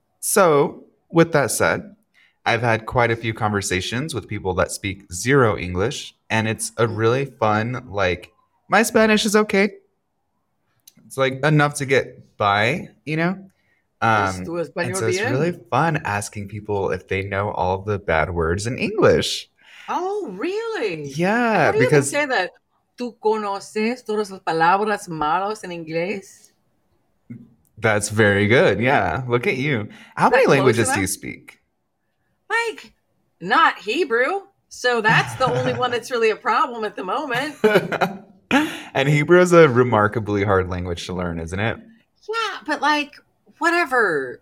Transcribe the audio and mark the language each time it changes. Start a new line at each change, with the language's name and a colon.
English: So with that said, I've had quite a few conversations with people that speak zero English, and it's a really fun, like, my Spanish is okay. It's like enough to get by, you know? And so it's really fun asking people if they know all the bad words in English. Oh, really? Yeah. How do you even say that?
Spanish: ¿Tú conoces todas las palabras malas en inglés?
English: That's very good. Yeah. Look at you. How many languages do you speak? Like, not Hebrew. So that's the only one that's really a problem at the moment. And Hebrew is a remarkably hard language to learn, isn't it? Yeah, but like, whatever.